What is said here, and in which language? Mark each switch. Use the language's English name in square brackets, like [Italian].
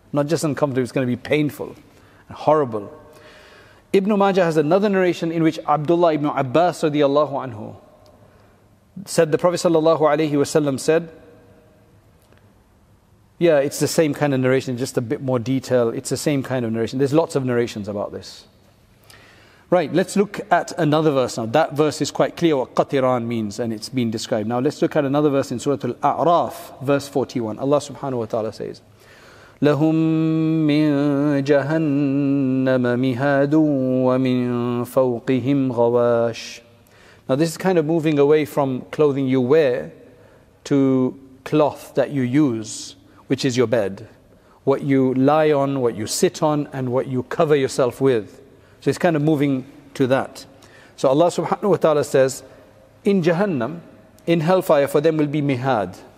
[English] Not just uncomfortable, it's going to be painful and horrible. Ibn Majah has another narration in which Abdullah ibn Abbas radiallahu anhu said, the Prophet sallallahu alayhi wa sallam said, yeah, it's the same kind of narration, just a bit more detail. It's the same kind of narration. There's lots of narrations about this. Right, let's look at another verse now. That verse is quite clear what qatiran means and it's been described. Now let's look at another verse in Surah Al-A'raf, verse 41. Allah subhanahu wa ta'ala says, [Arabic] لَهُمْ مِن جَهَنَّمَ مِهَادٌ وَمِن فَوْقِهِمْ غَوَاشٌ. [English] Now this is kind of moving away from clothing you wear to cloth that you use, which is your bed. What you lie on, what you sit on, and what you cover yourself with. So it's kind of moving to that. So Allah subhanahu wa ta'ala says, in Jahannam, in hellfire, for them will be mihad.